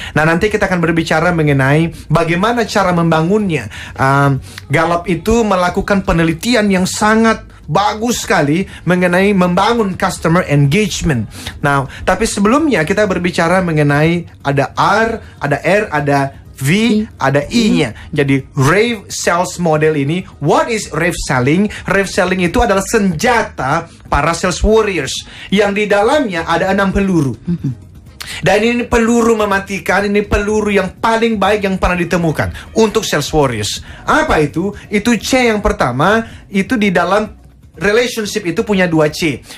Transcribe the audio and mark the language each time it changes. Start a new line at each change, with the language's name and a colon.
Indonesian: Nah nanti kita akan berbicara mengenai bagaimana cara membangunnya. Gallup itu melakukan penelitian yang sangat bagus sekali mengenai membangun customer engagement. Nah tapi sebelumnya kita berbicara mengenai ada R, ada R, ada V, ada I-nya.
English: Jadi rave sales model ini, what is rave selling?
Indonesian: Rave selling itu adalah senjata para sales warriors yang di dalamnya ada 6 peluru. Dan ini peluru mematikan, ini peluru yang paling baik yang pernah ditemukan untuk sales warriors. Apa itu? Itu C yang pertama, itu di dalam relationship itu punya 2 C.